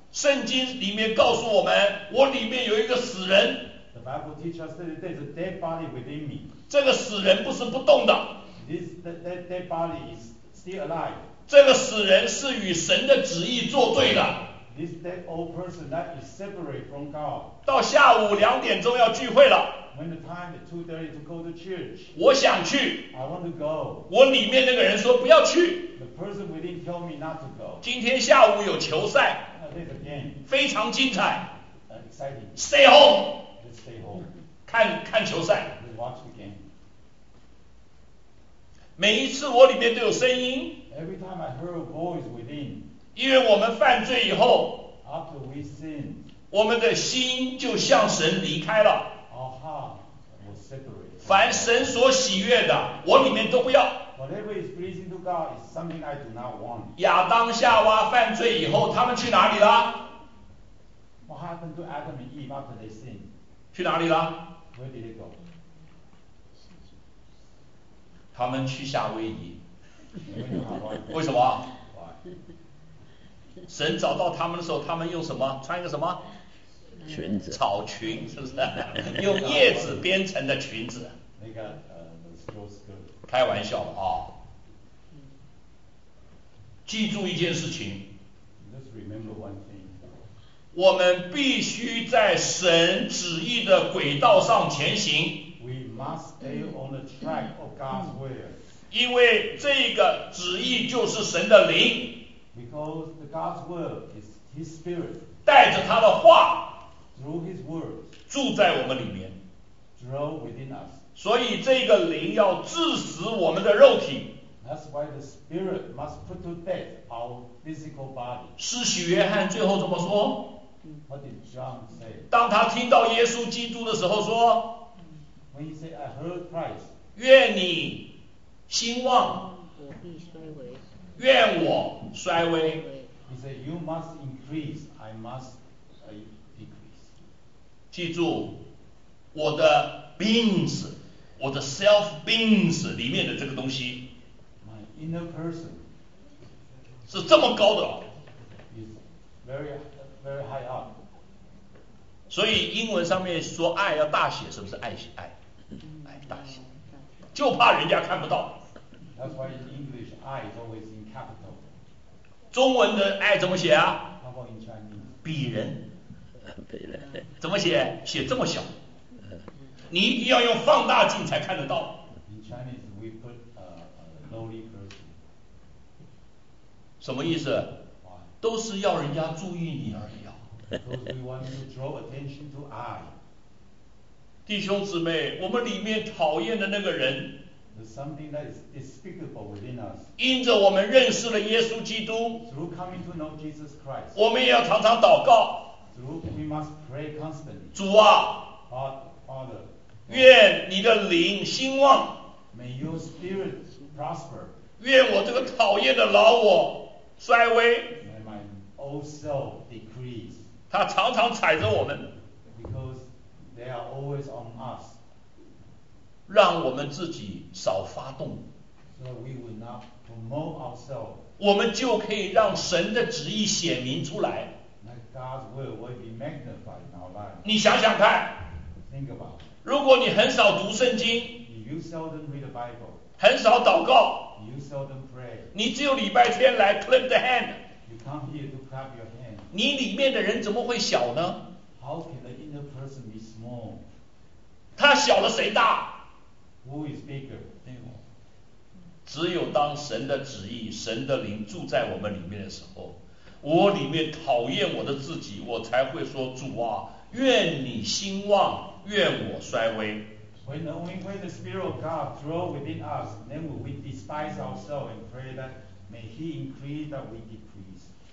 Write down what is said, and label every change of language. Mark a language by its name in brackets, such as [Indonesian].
[Chinese] 圣经里面告诉我们，我里面有一个死人。 [English] The Bible teaches us that there's a dead body within me. [Chinese] 这个死人不是不动的。 [English] This dead body is still alive. [Chinese] 这个死人是与神的旨意作对的。 [English] This dead old person that is separate from God. [Chinese] 到下午两点钟要聚会了。 [English] When the time is 2:30 to go to church. [Chinese] 我想去。 [English] I want to go. [Chinese] 我里面那个人说不要去。 [English] The person within told me not to go. [Chinese] 今天下午有球赛。非常精彩 [English] Stay home, stay home. [Chinese] 看球赛 [English] watch the game. [Chinese] 每一次我里面都有声音 [English] Every time I heard a voice within, [Chinese] 因为我们犯罪以后 [English] After we sin, [Chinese] 我们的心就向神离开了 [English] Our heart was separated. [Chinese] 凡神所喜悦的我里面都不要 [English] Whatever is pleasing to God is something I do not want. [Chinese] 亚当夏娃犯罪以后，他们去哪里了？ [English] What happened to Adam and Eve after they sinned? [Chinese] 去哪里了？ [English] Where did they go? [Chinese] 他们去夏威夷。为什么？ [English] Why? [Chinese] 神找到他们的时候，他们用什么？穿一个什么？裙子。草裙是不是？用叶子编成的裙子。那个 [English] straw skirt。 [Chinese] 开玩笑啊、哦！记住一件事情， [English] Just remember one thing. [Chinese] 我们必须在神旨意的轨道上前行。 [English] We must stay on the track of God's will. [Chinese] 因为这个旨意就是神的灵。 [English] Because the God's word is His spirit. [Chinese] 带着他的话。 [English] Through His word. [Chinese] 住在我们里面。 [English] Dwell within us. [Chinese] 所以这个灵要致死我们的肉体。 [English] That's why the spirit must put to death our physical body. [Chinese] 施洗约翰最后怎么说？ [English] What did John say? [Chinese] 当他听到耶稣基督的时候说 [English] When he said, I heard Christ, [Chinese] 愿你兴旺，我必衰微，愿我衰微。 [English] He said, you must increase, I must decrease. [Chinese] 记住我的 [English] beings, [Chinese] 我的 [English] self beings [Chinese] 里面的这个东西， [English] My inner person [Chinese] 是这么高的， [English] is very high. Very high up. [Chinese] 所以英文上面说爱要大写，是不是爱写爱？爱大写，就怕人家看不到。 [English] That's why in English, 爱 is always in capital. [Chinese] 中文的爱怎么写啊？ [English] How about in Chinese? [Chinese] 鄙人。鄙人。怎么写？写这么小。你一定要用放大镜才看得到。 [English] In Chinese, we put lowly person. [Chinese] 什么意思？都是要人家注意你而已啊。 [English] Because we want to draw attention to I. [Chinese] 弟兄姊妹，我们里面讨厌的那个人， [English] There's something that is despicable within us. [Chinese] 因着我们认识了耶稣基督， [English] Through coming to know Jesus Christ. [Chinese] 我们也要常常祷告， [English] Through we must pray constantly. [Chinese] 主啊， [English] Father. [Chinese] 愿你的灵兴旺， [English] May your spirit prosper. [Chinese] 愿我这个讨厌的老我衰微。 [English] Also decrease. [Chinese] 他常常踩着我们。 [English] Because they are always on us. [Chinese] 让我们自己少发动。 [English] So we will not promote ourselves. [Chinese] 我们就可以让神的旨意显明出来。 [English] Like God's will will be magnified in our lives. [Chinese] 你想想看。 [English] Think about. [Chinese] 如果你很少读圣经。 [English] You seldom read the Bible. [Chinese] 很少祷告。 [English] You seldom pray. [Chinese] 你只有礼拜天来 [English] clap the hand. Come here to clap your hand. [Chinese] 你里面的人怎么会小呢？ [English] How can the inner person be small? [Chinese] 他小了谁大？ [English] Who is bigger? [Chinese] 只有当神的旨意，神的灵住在我们里面的时候，我里面讨厌我的自己，我才会说主啊，愿你兴旺，愿我衰微。 [English] When the spirit of God dwells within us, then we will despise ourselves and pray that may He increase that we decrease.